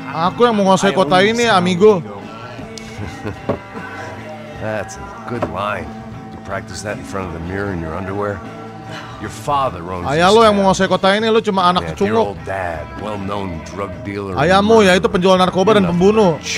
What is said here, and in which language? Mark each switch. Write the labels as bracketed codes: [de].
[id] Aku yang menguasai kota ini, amigo. [en] That's a good line. To practice that in front of the mirror in your underwear. Your father owns. [id] Ayahmu yang menguasai kota ini, lu cuma anak kecunguk. [en] Your old dad, well-known drug dealer. [id] Ayahmu ya itu penjual narkoba dan pembunuh.